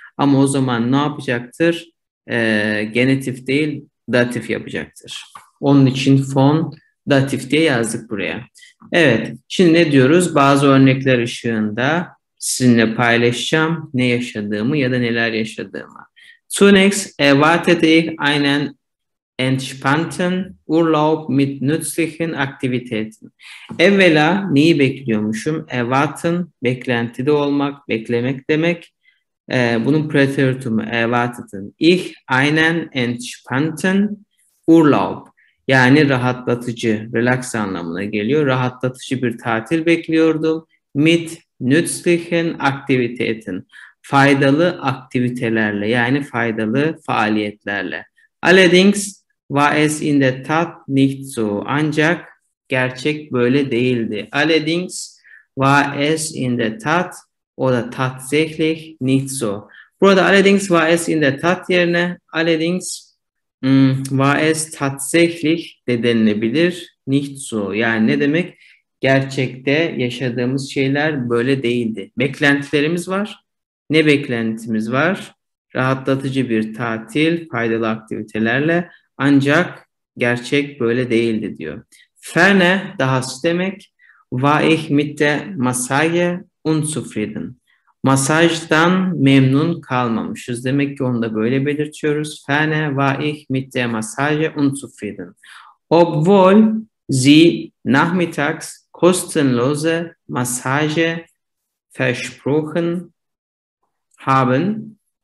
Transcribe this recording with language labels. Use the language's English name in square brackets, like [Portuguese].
[Turkish] Ama o zaman ne yapacaktır? Genitif değil, datif yapacaktır. Onun için von datif diye yazdık buraya. Evet, şimdi ne diyoruz? Bazı örnekler ışığında sizinle paylaşacağım ne yaşadığımı ya da neler yaşadığımı. [German] Zunächst erwartete ich einen entspannten Urlaub mit nützlichen Aktivitäten. [Turkish] Evvela neyi bekliyormuşum? Erwarten, beklentide olmak, beklemek demek. Bunun preteritumu erwarteten. [German] Ich einen entspannten Urlaub. [Turkish] Yani rahatlatıcı, relax anlamına geliyor. Rahatlatıcı bir tatil bekliyordum. [German] Mit nützlichen Aktivitäten. [Turkish] Faydalı aktivitelerle, yani faydalı faaliyetlerle. [German] Allerdings war es in der Tat nicht so. [Turkish] Ancak gerçek böyle değildi. [German] Allerdings war es in der Tat oder tatsächlich nicht so. [Turkish] Burada [German] allerdings war es in der Tat [Turkish] yerine [German] allerdings war es tatsächlich [Turkish] de denilebilir. [German] Nicht so. [Turkish] Yani ne demek? Gerçekte yaşadığımız şeyler böyle değildi. Beklentilerimiz var. Ne beklentimiz var? Rahatlatıcı bir tatil, faydalı aktivitelerle. Ancak gerçek böyle değildi diyor. Ferne, dahası demek. [German] War ich mit der Massage unzufrieden. [Turkish] Masajdan memnun kalmamışız. Demek ki onu da böyle belirtiyoruz. [German] Ferne, war ich mit der Massage unzufrieden. Obwohl sie nachmittags kostenlose Massage versprochen haben.